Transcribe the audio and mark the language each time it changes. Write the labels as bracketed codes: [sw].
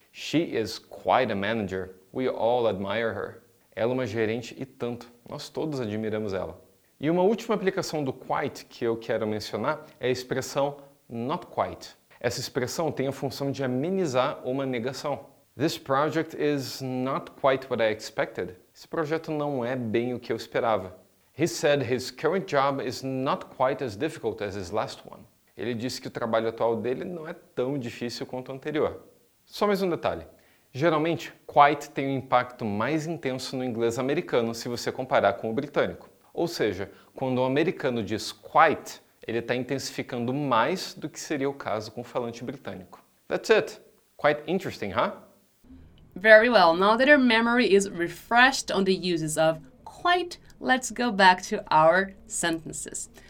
[en] She is quite a manager. We all admire her. [pt] Ela é uma gerente e tanto. Nós todos admiramos ela. E uma última aplicação do quite que eu quero mencionar é a expressão not quite. Essa expressão tem a função de amenizar uma negação. [en] This project is not quite what I expected. [pt] Esse projeto não é bem o que eu esperava. [en] He said his current job is not quite as difficult as his last one. [pt] Ele disse que o trabalho atual dele não é tão difícil quanto o anterior. Só mais um detalhe. Geralmente, quite tem um impacto mais intenso no inglês americano se você comparar com o britânico. Ou seja, quando um americano diz quite, ele está intensificando mais do que seria o caso com o falante britânico. [en] That's it. Quite interesting, huh? Very well. Now that your memory is refreshed on the uses of quite, let's go back to our sentences.